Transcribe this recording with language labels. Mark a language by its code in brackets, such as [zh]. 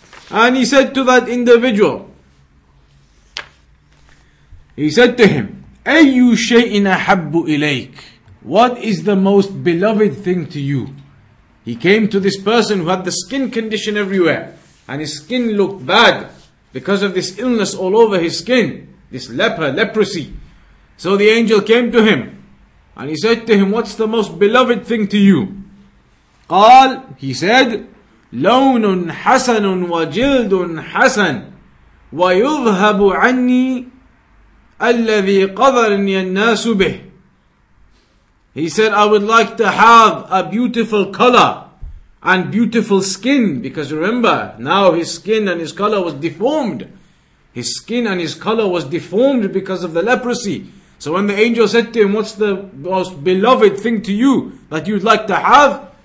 [en] And he said to that individual, he said to him, [ar] أَيُّ شَيْءٍ أَحَبُّ إِلَيْكَ [en] What is the most beloved thing to you? He came to this person who had the skin condition everywhere, and his skin looked bad because of this illness all over his skin, this leprosy. So the angel came to him, and he said to him, what's the most beloved thing to you? [ar] قال, [en] he said, [ar] لون حسن وجلد حسن ويذهب عني الذي قذرني الناس به. [en] He said, I would like to have a beautiful color and beautiful skin, because remember, now his skin and his color was deformed. His skin and his color was deformed because of the leprosy. So when the angel said to him, what's the most beloved thing to you that you'd like to have?